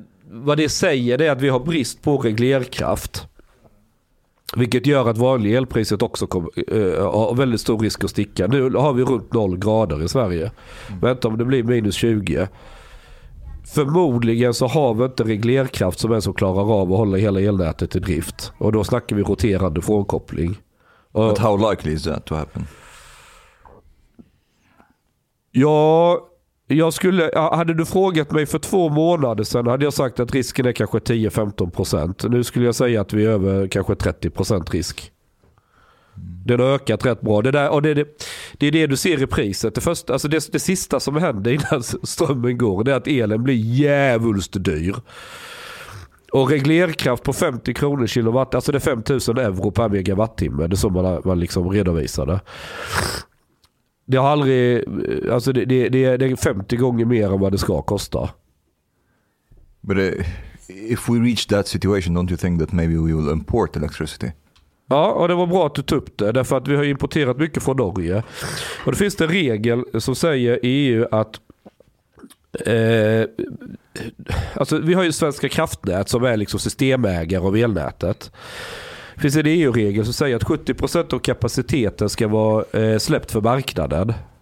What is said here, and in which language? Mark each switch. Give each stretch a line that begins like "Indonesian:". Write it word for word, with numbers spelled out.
Swedish: Vad det säger det är att vi har brist på reglerkraft, vilket gör att vanliga elpriset också kom, äh, har väldigt stor risk att sticka. Nu har vi runt noll grader i Sverige. Mm. Vänta om det blir minus tjugo. Förmodligen så har vi inte reglerkraft som ens klarar av att hålla hela elnätet i drift. Och då snackar vi roterande frånkoppling.
English: But how likely is that to happen?
Swedish: Ja... Jag skulle, hade du frågat mig för två månader sedan hade jag sagt att risken är kanske tio till femton procent. Nu skulle jag säga att vi är över kanske trettio procent risk. Den har ökat rätt bra. Det, där, och det, det, det är det du ser i priset. Det, första, alltså det, det sista som händer innan strömmen går, det är att elen blir jävulst dyr. Och reglerkraft på femtio kronor kilowatt, alltså det är fem tusen euro per megawattimme. Det är så man, man liksom redovisar det. Det har aldrig, alltså det, det, det, det är femtio gånger mer än vad det ska kosta.
English: But uh, if we reach that situation, don't you think that maybe we will import electricity?
Swedish: Ja, och det var bra att du tog upp det, därför att vi har importerat mycket från Norge. Och det finns en regel som säger i E U att eh, Alltså, vi har ju Svenska kraftnät som är liksom systemägare av elnätet. Det finns en E U-regel som säger att sjuttio procent av kapaciteten ska vara eh, släppt för marknaden.